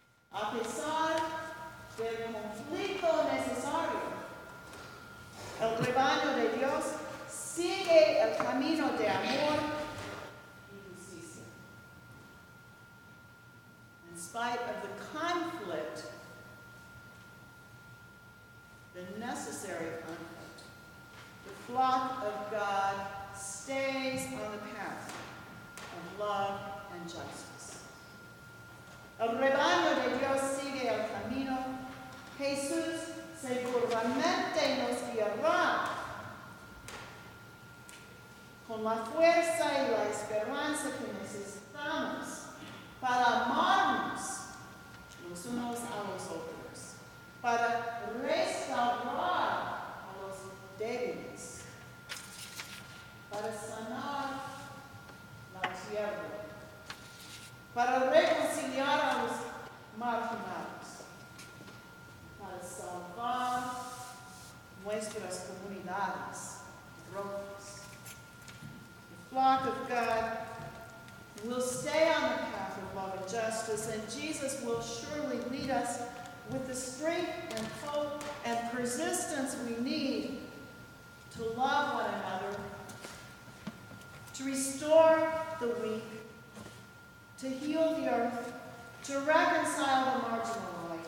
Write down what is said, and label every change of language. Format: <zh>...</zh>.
<es>A pesar del conflicto necesario, el rebaño de Dios sigue el camino de amor y justicia.</es> <en>In spite of the conflict, the necessary conflict, the flock of God stays on the path of love and justice.</en> <es>El rebaño de Dios sigue el camino. Jesús seguramente nos guiará con la fuerza y la esperanza que necesitamos para amarnos los unos a los otros, para restaurar a los débiles, para sanar la tierra, para reconciliar a los marginados, para salvar nuestras comunidades rotas.</es> <en>The flock of God will stay on the path of love and justice, and Jesus will surely lead us with the strength and hope and persistence we need to love one another, to restore the weak, to heal the earth, to reconcile the marginalized.</en>